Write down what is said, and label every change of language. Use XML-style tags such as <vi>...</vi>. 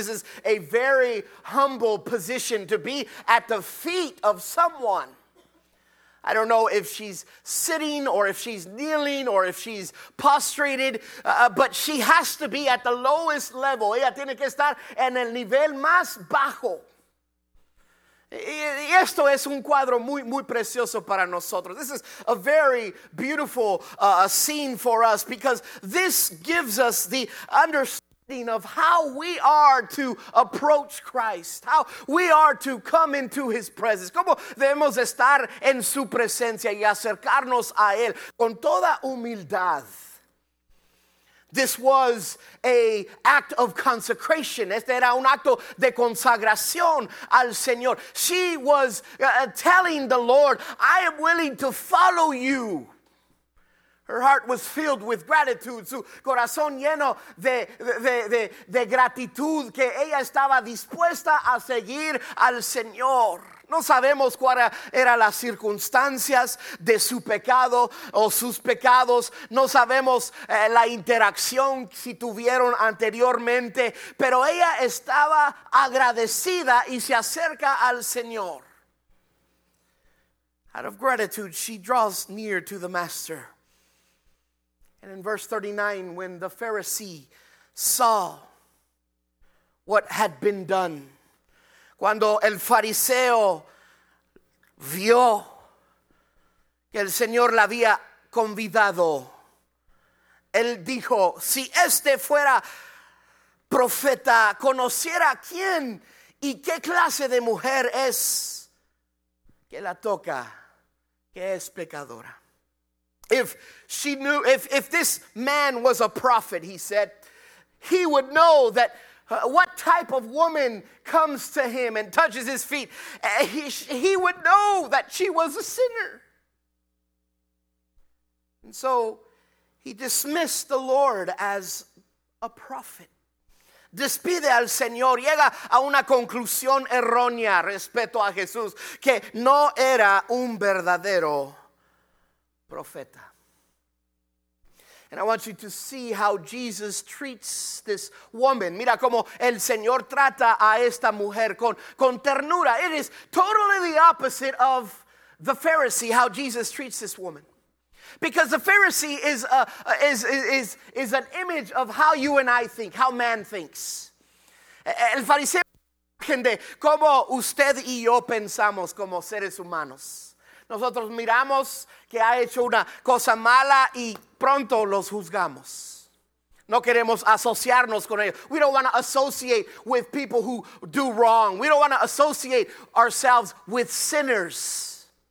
<en>This is a very humble position to be at the feet of someone. I don't know if she's sitting or if she's kneeling or if she's prostrated, but she has to be at the lowest level.</en> <es>Ella tiene que estar en el nivel más bajo. Y esto es un cuadro muy, muy precioso para nosotros.</es> <en>This is a very beautiful scene for us because this gives us the understanding of how we are to approach Christ, how we are to come into his presence.</en> <es>¿Cómo debemos estar en su presencia y acercarnos a él con toda humildad?</es> <en>This was a act of consecration.</en> <es>Este era un acto de consagración al Señor.</es> <en>She was telling the Lord, I am willing to follow you. Her heart was filled with gratitude.</en> <es>Su corazón lleno de gratitud que ella estaba dispuesta a seguir al Señor. No sabemos cuáles eran las circunstancias de su pecado o sus pecados. No sabemos la interacción si tuvieron anteriormente. Pero ella estaba agradecida y se acerca al Señor.</es> <en>Out of gratitude, she draws near to the Master. And in verse 39, when the Pharisee saw what had been done,</en> <es>cuando el fariseo vio que el Señor la había convidado, él dijo, si este fuera profeta, conociera quién y qué clase de mujer es que la toca, que es pecadora.</es> <en>If this man was a prophet, he said, he would know that what type of woman comes to him and touches his feet? He would know that she was a sinner. And so he dismissed the Lord as a prophet.</en> <es>Despide al Señor, llega a una conclusión errónea respecto a Jesús, que no era un verdadero profeta.</es> <en>And I want you to see how Jesus treats this woman.</en> <es>Mira cómo el Señor trata a esta mujer con ternura.</es> <en>It is totally the opposite of the Pharisee, how Jesus treats this woman. Because the Pharisee is an image of how you and I think, how man thinks.</en> <es>El fariseo entiende cómo usted y yo pensamos como seres humanos. Nosotros miramos que ha hecho una cosa mala y pronto los juzgamos. No queremos asociarnos con ellos.</es> <en>We don't want to associate with people who do wrong. We don't want to associate ourselves with sinners.</en>